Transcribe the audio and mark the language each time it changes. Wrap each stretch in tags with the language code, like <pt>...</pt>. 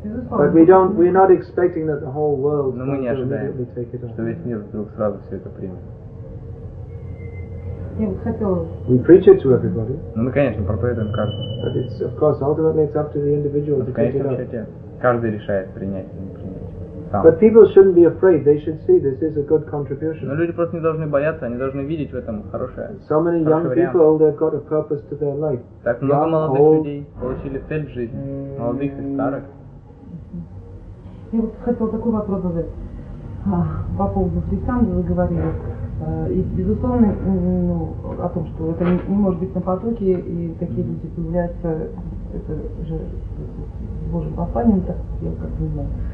<en>But we're not expecting that the whole world.</en> <ru>Но мы не ожидаем, что весь мир вдруг сразу все это примет. Я бы хотела.</ru> <en>We preach it to everybody.</en> <ru>Ну, мы, конечно, проповедуем каждому.</ru> <en>But it's of course ultimately it's up to the individual to take it up.</en> <ru>Каждый решает принять или не принять.</ru> <en>But people shouldn't be afraid. They should see this is a good contribution.</en> <ru>Но люди просто не должны бояться, они должны видеть в этом хорошее.</ru> <en>So many young people, they've got a purpose to their life.</en> <ru>Так много молодых людей получили цель в жизни, молодых и старых. Я вот хотела такой вопрос задать. По поводу христианства вы говорили. И безусловно, ну, о том, что это не может быть на потоке, и такие люди появляются, это же Божьим посланием, так я как не знаю.</ru>